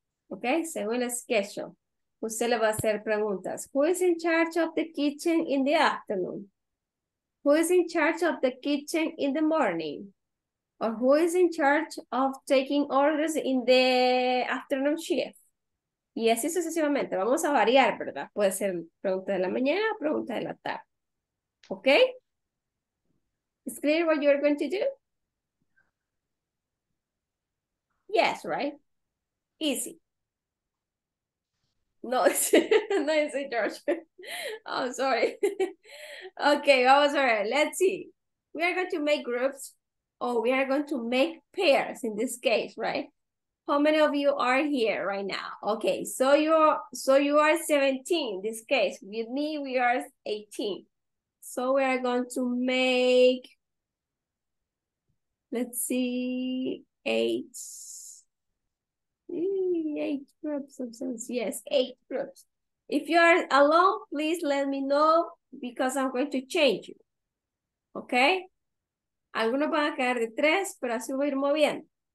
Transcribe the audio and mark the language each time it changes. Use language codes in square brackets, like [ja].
[es] Okay, según el schedule. Usted le va a hacer preguntas. [en] Who is in charge of the kitchen in the afternoon? Who is in charge of the kitchen in the morning? Or who is in charge of taking orders in the afternoon shift? [es] Y así sucesivamente. Vamos a variar, ¿verdad? Puede ser pregunta de la mañana o pregunta de la tarde. [en] ¿Ok? Is clear what you're going to do? Yes, right? Easy. [es] No, no dice George. [en] I'm sorry. Ok, [es] vamos a ver. [en] Let's see. We are going to make groups. Oh, we are going to make pairs in this case, right? How many of you are here right now? Okay, so you are 17 in this case. With me, we are 18. So we are going to make, let's see, eight groups of sense. Yes, eight groups. If you are alone, please let me know because I'm going to change you. Okay? [es] Algunos van a quedar de tres, pero así voy a ir moviendo.